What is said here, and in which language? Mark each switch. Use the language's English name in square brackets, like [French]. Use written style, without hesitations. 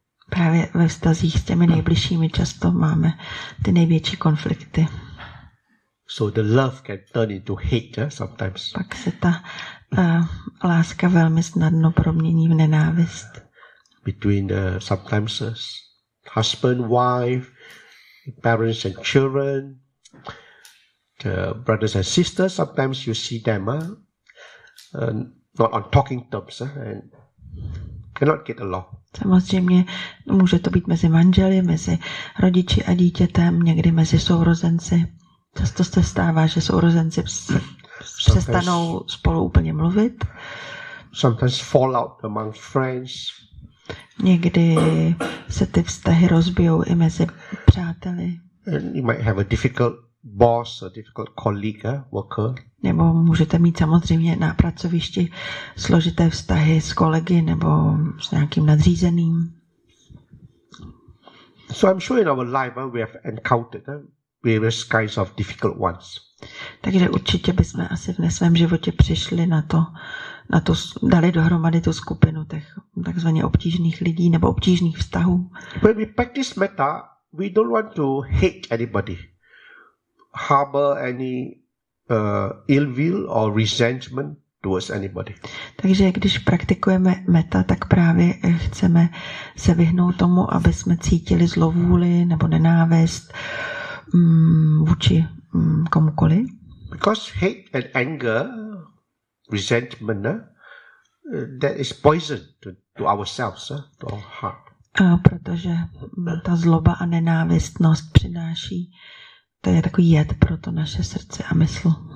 [Czech] Právě ve vztazích s těmi nejbližšími často máme ty největší konflikty. [English] So the love can turn into hate sometimes. [Czech] Pak se ta láska velmi snadno promění v nenávist. [English] Between the sometimes husband, wife, parents and children, the brothers and sisters, sometimes you see them not on talking terms and cannot get along. [Czech] Samozřejmě může to být mezi manželi, mezi rodiči a dítětem, někdy mezi sourozenci. Často se stává, že sourozenci přestanou spolu úplně mluvit. [English] Sometimes fall out among friends. [Czech] Někdy se ty vztahy rozbijou i mezi přáteli. [English] And you might have a difficult boss, a difficult colleague, worker. [Czech] Nebo můžete mít samozřejmě na pracovišti složité vztahy s kolegy nebo s nějakým nadřízeným. [English] So I'm sure in our life we have encountered various kinds of difficult ones. [Czech] Takže určitě bychom asi v svém životě přišli na to, dali dohromady tu skupinu těch takzvaně obtížných lidí nebo obtížných vztahů. [English] When we practice metta, we don't want to hate anybody, harbor any ill will or resentment towards anybody. [Czech] Takže když praktikujeme metta, tak právě chceme se vyhnout tomu, aby jsme cítili zlovůli nebo nenávist vůči komukoli. [English] Because hate and anger, resentment, that is poison to ourselves, to our heart. [Czech] Protože ta zloba a nenávistnost přináší, to je takový jed pro to naše srdce a mysl.